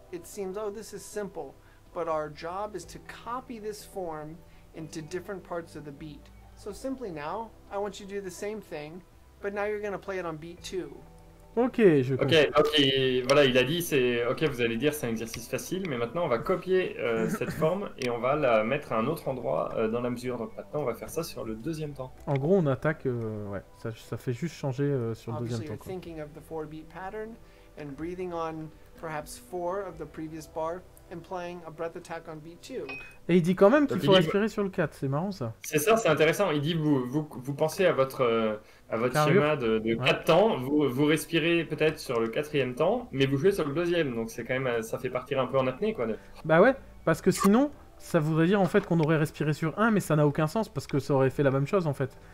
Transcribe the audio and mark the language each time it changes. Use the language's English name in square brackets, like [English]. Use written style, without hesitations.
[English] It seems oh this is simple, but our job is to copy this form into different parts of the beat. So simply now, I want you to do the same thing, but now you're gonna play it on beat 2. [French] Ok, je ok, ok, voilà, il a dit, c'est ok, vous allez dire c'est un exercice facile, mais maintenant on va copier cette forme et on va la mettre à un autre endroit dans la mesure. Donc maintenant on va faire ça sur le deuxième temps. En gros, on attaque, ouais, ça fait juste changer sur le deuxième temps. [English] Thinking of the four beat pattern and breathing on perhaps four of the previous bar and playing a breath attack on beat two. [French] Et il dit quand même qu'il faut respirer sur le 4, c'est marrant ça. C'est ça, c'est intéressant. Il dit vous pensez à votre schéma de 4 ouais. temps, vous respirez peut-être sur le 4e temps, mais vous jouez sur le 2e. Donc c'est quand même, ça fait partir un peu en apnée quoi. Bah ouais, parce que sinon, ça voudrait dire en fait qu'on aurait respiré sur 1, mais ça n'a aucun sens parce que ça aurait fait la même chose en fait.